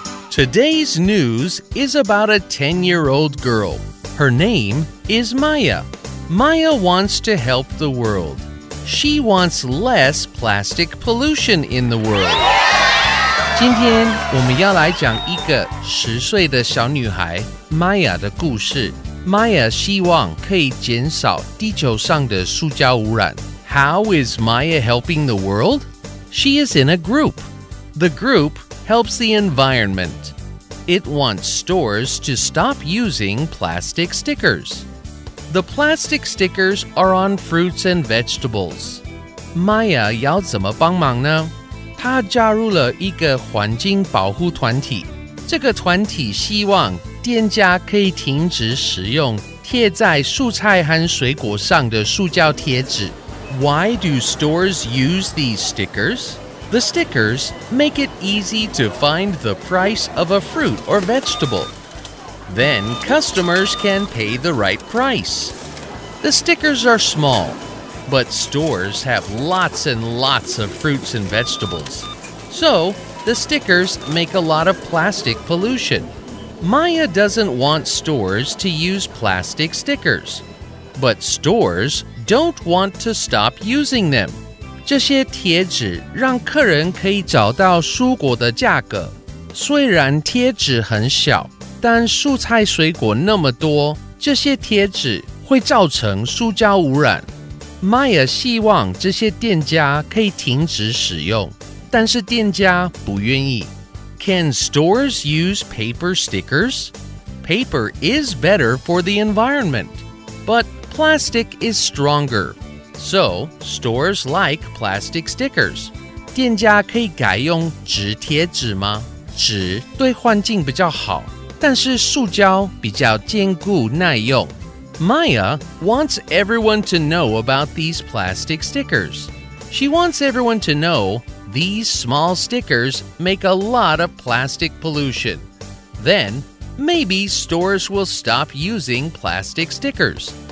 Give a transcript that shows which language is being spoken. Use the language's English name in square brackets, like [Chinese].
[English] Today's news is about a 10-year-old girl. Her name is Maya. Maya wants to help the world. She wants less plastic pollution in the world. [Chinese] 今天我们要来讲一个十岁的小女孩 Maya 的故事。 Maya 希望可以减少地球上的塑胶污染。 [English] How is Maya helping the world? She is in a group. The group helps the environment. It wants stores to stop using plastic stickers. The plastic stickers are on fruits and vegetables. [Chinese] Maya 要怎么帮忙呢？她加入了一个环境保护团体。这个团体希望店家可以停止使用贴在蔬菜和水果上的塑胶贴纸。 [English] Why do stores use these stickers? The stickers make it easy to find the price of a fruit or vegetable. Then customers can pay the right price. The stickers are small, but stores have lots and lots of fruits and vegetables. So, the stickers make a lot of plastic pollution. Maya doesn't want stores to use plastic stickers, but stores don't want to stop using them. [Chinese] 这些贴纸让客人可以找到蔬果的价格。虽然贴纸很小，但蔬菜水果那么多，这些贴纸会造成塑胶污染。 Maya 希望这些店家可以停止使用，但是店家不愿意。 [English] Can stores use paper stickers? Paper is better for the environment, but plastic is stronger. So, stores like plastic stickers. [Chinese] 店家可以改用纸贴纸吗？纸对环境比较好，但是塑胶比较坚固耐用。 [English] Maya wants everyone to know about these plastic stickers. She wants everyone to know these small stickers make a lot of plastic pollution. Then, maybe stores will stop using plastic stickers.